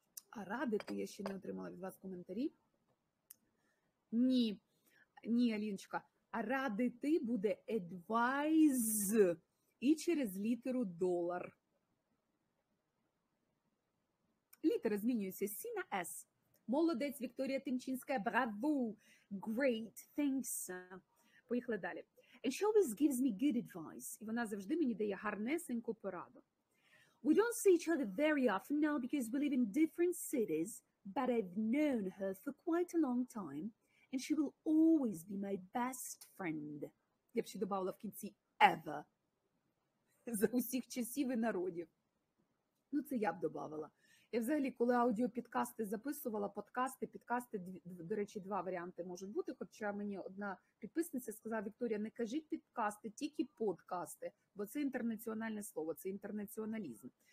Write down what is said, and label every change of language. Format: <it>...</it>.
<uk>А радити, я ще не отримала від вас коментарі. Ні, Аліночка, а радити буде advise і через літеру долар. Літера змінюється C на S. Молодець, Вікторія Тимчинська, браво!</uk> <en>Great, thanks.</en> <uk>Поїхали далі.</uk> <en>And she always gives me good advice.</en> <uk>І вона завжди мені дає гарнесеньку пораду.</uk> <en>We don't see each other very often now because we live in different cities, but I've known her for quite a long time, and she will always be my best friend.</en> <uk>Я б ще добавила в кінці ever. За усіх часів і народів. Ну, це я б добавила. Я взагалі, коли аудіопідкасти записувала, підкасти, до речі, два варіанти можуть бути, хоча мені одна підписниця сказала: Вікторія, не кажіть підкасти, тільки подкасти, бо це інтернаціональне слово, це інтернаціоналізм.</uk>